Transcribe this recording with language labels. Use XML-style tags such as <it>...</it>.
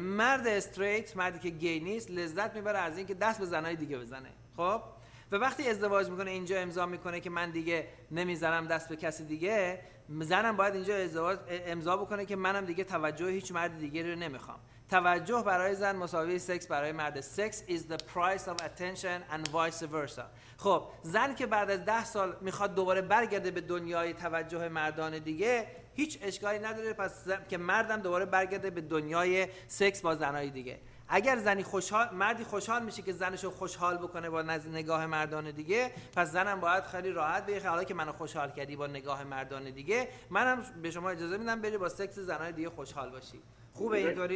<fa>مرد استریت، مردی که گی نیست، لذت میبره از اینکه دست به زنای دیگه بزنه. خب و وقتی ازدواج میکنه اینجا امضا میکنه که من دیگه نمیذارم دست به کسی دیگه، زنم باید اینجا ازدواج امضا بکنه که منم دیگه توجه هیچ مرد دیگه رو نمیخوام. توجه برای زن مساوی سکس برای مرد.</fa> <en>Sex is the price of attention and vice versa.</en> <fa>خب زن که بعد از 10 سال میخواد دوباره برگرده به دنیای توجه مردان دیگه، هیچ اشکالی نداره پس که مردم دوباره برگرده به دنیای سکس با زنای دیگه. اگر زنی خوشحال، مردی خوشحال میشه که زنشو خوشحال بکنه با نگاه مردان دیگه، پس زنم باید خیلی راحت بگه حالا که منو خوشحال کردی با نگاه مردان دیگه، منم به شما اجازه میدم بری با سکس زنای دیگه خوشحال باشی. خوبه اینطوری؟</fa>